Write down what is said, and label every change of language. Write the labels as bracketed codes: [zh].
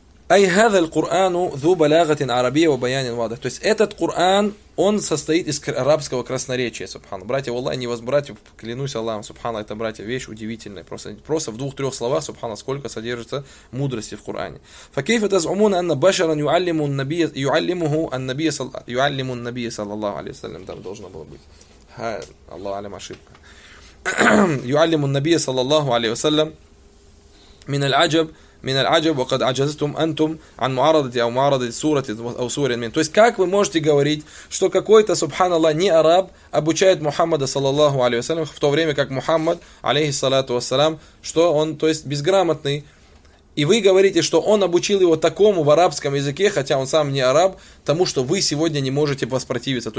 [ar] أي هذا القرآن ذو بلاغة عربية وبيان واضح. [ru] То есть этот Коран, он состоит из арабского красноречия, субхана. Братья, والله, не вас, братья, клянусь Аллахом, субхана, это, братья, вещь удивительная. Просто в двух-трех словах, субхана, сколько содержится мудрости в Коране. [ar] فكيف تزعمون أن بشرا يعلم النبي يعلمه النبي صلى يعلم النبي صلى الله عليه وسلم. [ru] Там должно было быть. Ха, Аллах алим, ошибка. [ar] يعلم النبي صلى الله عليه وسلم من العجب من العجب وقد عجزتم أنتم عن معارضة أو معارضة سورة أو سورة من. [ru] То есть как вы можете говорить, что какой-то субханаллах не араб обучает Мухаммада саллаллаху алейхи ва саллям, в то время как Мухаммад алейхи саллату ва саллям, что он, то есть, безграмотный, и вы говорите, что он обучил его такому в арабском языке, хотя он сам не араб, тому, что вы сегодня не можете воспротивиться.